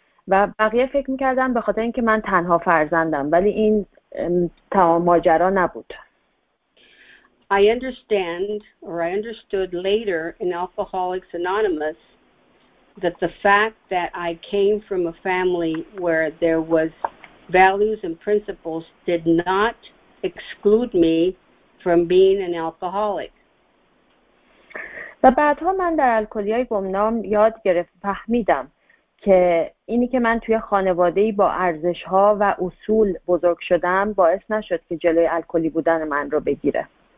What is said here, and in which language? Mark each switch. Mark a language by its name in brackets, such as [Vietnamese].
[Persian] و بقیه فکر میکردم به خاطر اینکه من تنها فرزندم ولی این تمام ماجرا نبود. [English] I understand or I understood later in Alcoholics Anonymous that the fact that I came from a family where there was values and principles did not exclude me from being an alcoholic. [Persian] و بعدها من در الکلی های گمنام یاد گرفت فهمیدم که اینی که من توی خانواده‌ای با ارزش‌ها و اصول بزرگ شدم باعث نشد که جلوی الکلی بودن من رو بگیره.